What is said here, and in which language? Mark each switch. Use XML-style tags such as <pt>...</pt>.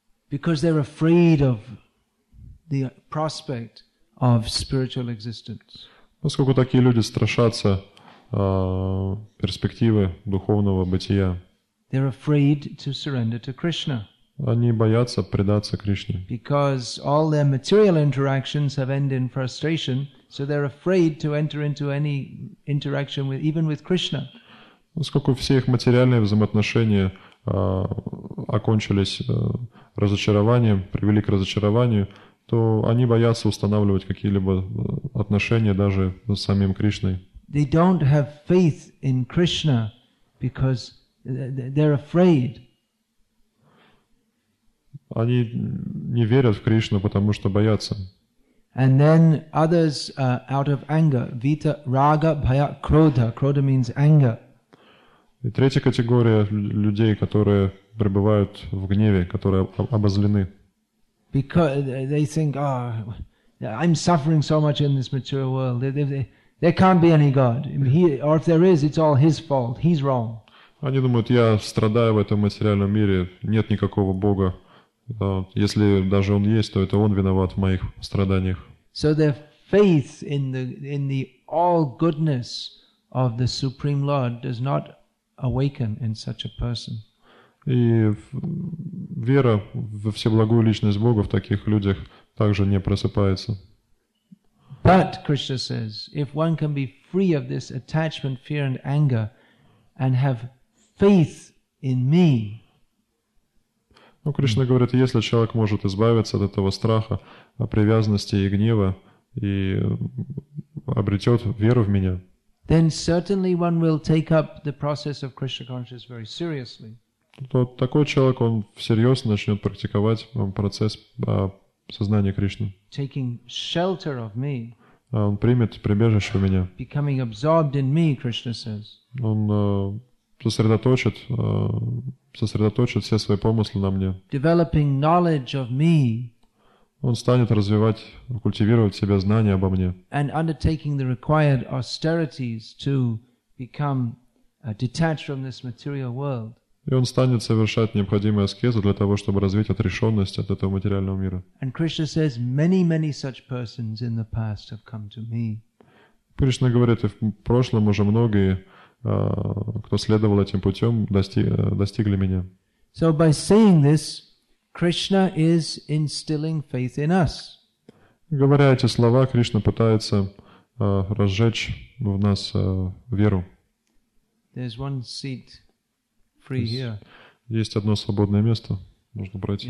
<en>Because they're afraid of the prospect of spiritual existence.</en> <ru>Поскольку такие люди страшатся перспективы духовного бытия.</ru> <en>They're afraid to surrender to Krishna.</en> <ru>Они боятся предаться Кришне.</ru> <en>Because all their material interactions have ended in frustration, so they're afraid to enter into any interaction with, even with Krishna.</en> <ru>Поскольку все их материальные взаимоотношения окончились разочарованием, привели к разочарованию, то они боятся устанавливать какие-либо отношения даже с самим Кришной.</ru> <en>They don't have faith in Krishna because they're afraid.</en> <ru>Они не верят в Кришну, потому что боятся.</ru> <en>And then others out of anger,</en> <sa>vita, raga, bhaya, krodha.</sa> <en>Krodha means anger.</en> <ru>И третья категория людей, которые пребывают в гневе, которые обозлены.</ru> <en>Because they think, I'm suffering so much in this material world. There can't be any God. Or if there is, it's all his fault. He's wrong.</en> <ru>Они думают, я страдаю в этом материальном мире, нет никакого Бога. Если даже он есть, то это он виноват в моих страданиях.</ru> <en>So their faith in the all goodness of the Supreme Lord does not awaken in such a person.</en> <ru>И вера во всеблагую личность Бога в таких людях также не просыпается.</ru> <en>But Krishna says, if one can be free of this attachment, fear and anger and have faith in me.</en> <ru>Ну, Кришна говорит, если человек может избавиться от этого страха, привязанности и гнева, и обретет веру в меня,</ru> <en>then certainly one will take up the process of Krishna consciousness very seriously.</en> <ru>То такой человек, он всерьез начнет практиковать процесс сознания Кришны.</ru> <en>Taking shelter of me.</en> <ru>Он примет прибежище у меня.</ru> <en>Becoming absorbed in me, Krishna says.</en> <ru>Он сосредоточит все свои помыслы на мне.</ru> <en>Developing knowledge of me.</en> <ru>Он станет развивать, культивировать себя знания обо мне.</ru> <en>And undertaking the required austerities to become detached from this material world.</en> <ru>И он станет совершать необходимые аскезы для того, чтобы развить отрешенность от этого материального мира.</ru> <en>And Krishna says, many, many such persons in the past have come to me.</en> <ru>Кришна говорит, в прошлом уже многие, кто следовал этим путем, достигли меня.</ru> <en>So by saying this, Krishna is instilling faith in us.</en> <ru>Говоря эти слова, Кришна пытается разжечь в нас веру.</ru> <en>There's one seat free here.</en> <ru>Есть одно свободное место, можно пройти.</ru>